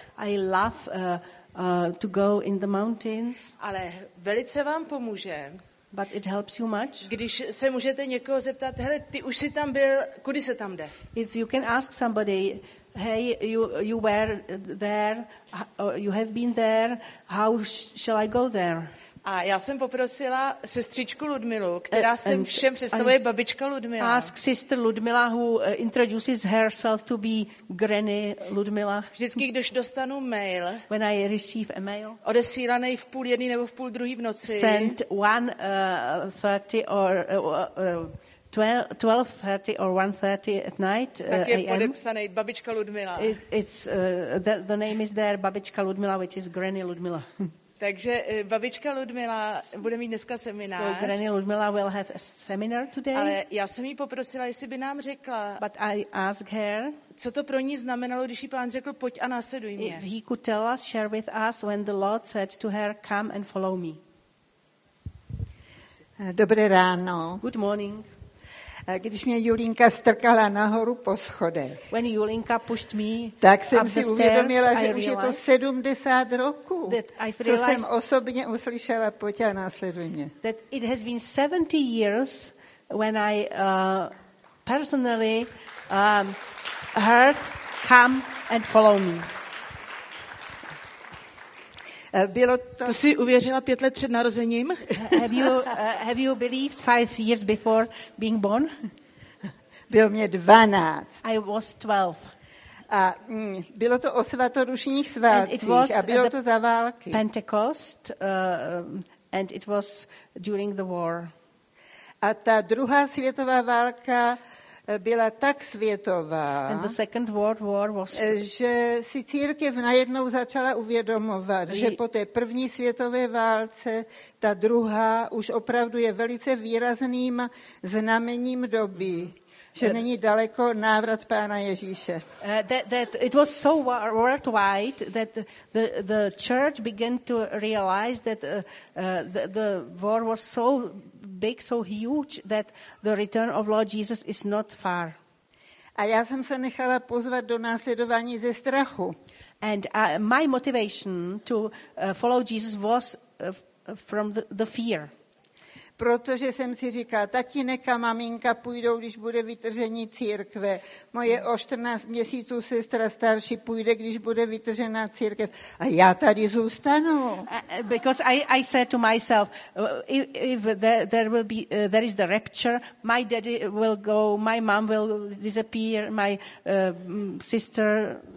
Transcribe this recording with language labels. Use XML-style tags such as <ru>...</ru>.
<en>I love to go in the mountains.</en> <cs>Ale velice vám pomůže.</cs> <en>But it helps you much.</en> <cs>Když se můžete někoho zeptat, hele, ty už jsi tam byl, kudy se tam jde?</cs> <en>If you can ask somebody, hey, you were there, you have been there, how shall I go there?</en> <cs>A já jsem poprosila sestřičku Ludmilu, která se všem představuje babička Ludmila.</cs> <en>Ask sister Ludmila, who introduces herself to be granny Ludmila.</en> <cs>Vždycky, když dostanu mail,</cs> <en>when I receive a mail,</en> <cs>odesílaný v půl jedný nebo v půl druhý v noci,</cs> <en>sent 1:30 or 12:30 or 1:30 at night,</en> <cs>tak je podepsaný babička Ludmila.</cs> <en>The name is there,</en> <cs>babička</cs> <en>Ludmila, which is granny Ludmila.</en> <cs>Takže babička Ludmila bude mít dneska seminář.</cs> <en>So granny Ludmila will have a seminar today.</en> <cs>Ale já jsem jí poprosila, jestli by nám řekla.</cs> <en>But I ask her.</en> <cs>Co to pro ní znamenalo, když jí pán řekl, pojď a následuj mě.</cs> <en>He could tell us, share with us when the Lord said to her, come and follow me.</en> <cs>Dobré ráno.</cs> <en>Good morning.</en> <cs>Když mě Julinka strkala nahoru po schodech.</cs> <en>When Julinka pushed me,</en> <cs>tak jsem si</cs> <en>stairs,</en> <cs>uvědomila, že už je to 70 roků, co jsem osobně uslyšela, pojď a následuj mě.</cs> <en>That it has been 70 years when I personally heard come and follow me.</en> <cs>Bylo to si uvěřila 5 let před narozením?</cs> <en>Have you believed 5 years before being born?</en> <cs>Bylo mě 12.</cs> <en>I was 12.</en> <cs>A bylo to o svatodušních svátcích a bylo to za války.</cs> <en>Pentecost and it was during the war.</en> <cs>A ta druhá světová válka byla tak světová,</cs> <en>and the Second World War was,</en> <cs>že si církev najednou začala uvědomovat, že po té první světové válce ta druhá už opravdu je velice výrazným znamením doby, že není daleko návrat Pána Ježíše.</cs> <en>That it was so worldwide that the church began to realize that the war was so big, so huge, that the return of Lord Jesus is not far.</en> <cs>A já jsem se nechala pozvat do následování ze strachu.</cs> <en>And my motivation to follow Jesus was from the fear.</en> <cs>Protože jsem si říkala, tatínek a maminka půjdou, když bude vytržení církve. Moje o 14 měsíců sestra starší půjde, když bude vytržená církev. A já tady zůstanu.</cs> <en>Because I said to myself, if there will be there is the rapture, my daddy will go, my mom will disappear, my sister.</en>